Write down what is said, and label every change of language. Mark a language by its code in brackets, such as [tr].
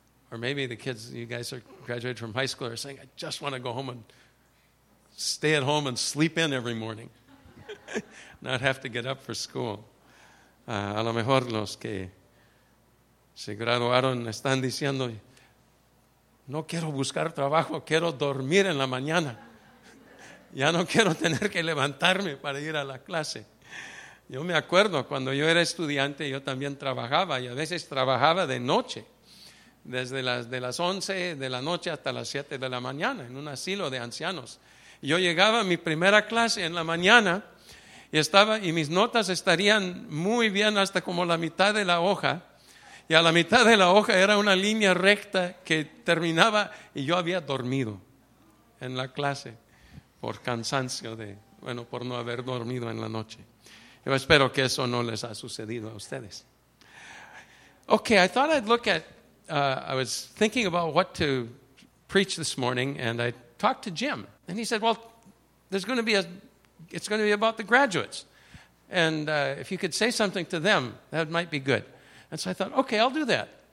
[en] Or maybe the kids, you guys are graduated from high school, are saying, I just want to go home and stay at home and sleep in every morning. Not have to get up for school. [es] A lo mejor los que se graduaron están diciendo... No quiero buscar trabajo, quiero dormir en la mañana. Ya no quiero tener que levantarme para ir a la clase. Yo me acuerdo cuando yo era estudiante, yo también trabajaba y a veces trabajaba de noche, desde las 11 de la noche hasta las 7 de la mañana en un asilo de ancianos. Yo llegaba a mi primera clase en la mañana y mis notas estarían muy bien hasta como la mitad de la hoja. Y a la mitad de la hoja era una línea recta que terminaba y yo había dormido en la clase por cansancio por no haber dormido en la noche. Yo espero que eso no les ha sucedido a ustedes. [en] Okay, I thought I'd look at, I was thinking about what to preach this morning and I talked to Jim. And he said, well, it's going to be about the graduates. And if you could say something to them, that might be good. And so I thought, okay, I'll do that.